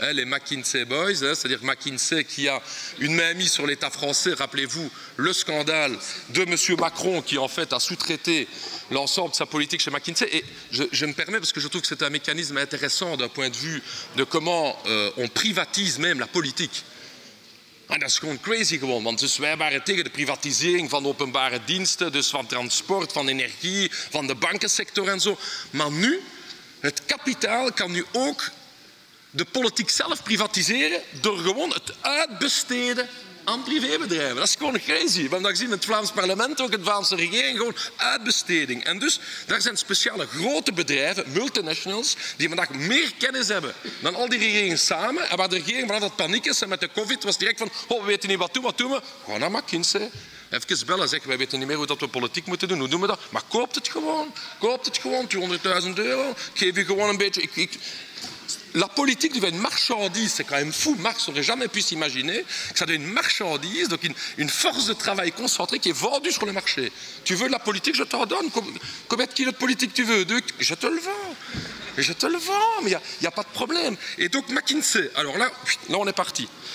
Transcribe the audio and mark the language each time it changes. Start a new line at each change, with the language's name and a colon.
French: Les McKinsey Boys, c'est-à-dire McKinsey qui a une mainmise sur l'État français. Rappelez-vous le scandale de M. Macron qui en fait a sous-traité l'ensemble de sa politique chez McKinsey. Et je me permets, parce que je trouve que c'est un mécanisme intéressant d'un point de vue de comment on privatise même la politique.
Dutch: En dat is gewoon crazy gewoon, want dus wij waren tegen de privatisering van openbare diensten, dus van transport, van energie, van de bankensector en zo. Maar nu, het kapitaal kan nu ook de politiek zelf privatiseren door gewoon het uitbesteden aan privébedrijven. Dat is gewoon crazy. We hebben dat gezien in het Vlaams parlement, ook in de Vlaamse regering, gewoon uitbesteding. En dus, daar zijn speciale grote bedrijven, multinationals, die vandaag meer kennis hebben dan al die regeringen samen. En waar de regering vanaf dat paniek is en met de COVID was direct van, oh, we weten niet wat doen we? Gewoon naar McKinsey. Even bellen, zeggen, wij weten niet meer hoe dat we politiek moeten doen. Hoe doen we dat? Maar koopt het gewoon. Koopt het gewoon, 200.000 euro. Geef je gewoon een beetje...
French: La politique devient une marchandise, c'est quand même fou. Marx n'aurait jamais pu s'imaginer que ça devient une marchandise, donc une force de travail concentrée qui est vendue sur le marché. Tu veux de la politique, je t'en donne. Combien de kilos de politique tu veux? Je te le vends. Je te le vends, mais il n'y a pas de problème. Et donc McKinsey, alors là on est parti.